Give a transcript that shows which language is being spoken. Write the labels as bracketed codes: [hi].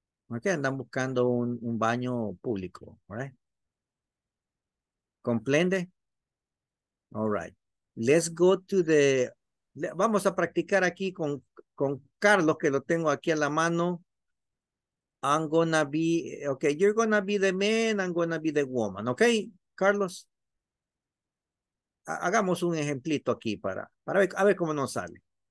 [es] Ok, andan buscando un baño público, [en] right? [es] ¿Comprende? [en] All right. Let's go to the. [es] Vamos a practicar aquí con Carlos, que lo tengo aquí a la mano. [en] I'm gonna be. Ok, you're gonna be the man, I'm gonna be the woman. Ok, Carlos. [es] Hagamos un ejemplito aquí para ver, a ver cómo nos sale.